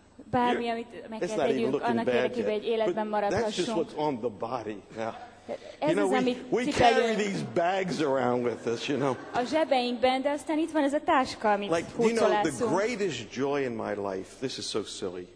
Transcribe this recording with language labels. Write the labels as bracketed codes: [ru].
[hu] Bármi, amit meg kell tegyünk, annak érdekében, hogy életben maradhassunk. [en] That's just what's on the body now. [hu] Ez [en] you know, [hu] az, [en] we carry these bags around with us, you know. [hu] A zsebeinkben, de aztán itt van ez a táska, amit [en] like, [hu] húcsolászunk. [en] You know, the greatest joy in my life, this is so silly.